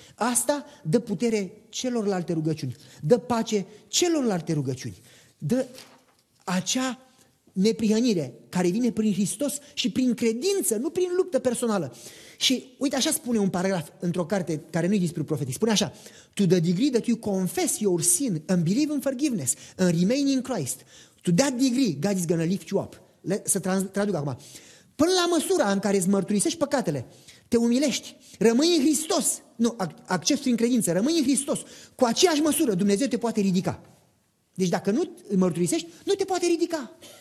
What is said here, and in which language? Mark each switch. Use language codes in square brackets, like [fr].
[ro] Asta dă putere celorlalte rugăciuni, dă pace celorlalte rugăciuni, dă acea neprihănire care vine prin Hristos și prin credință, nu prin luptă personală. Și uite, așa spune un paragraf într-o carte care nu e despre profetii. Spune așa: [en] to the degree that you confess your sin and believe in forgiveness and remain in Christ, to that degree God is going to lift you up. [ro] Să traduc acum. Până la măsura în care îți mărturisești păcatele, te umilești, rămâi în Hristos, accepți în credință, rămâi în Hristos, cu aceeași măsură Dumnezeu te poate ridica. Deci dacă nu îți mărturisești, nu te poate ridica.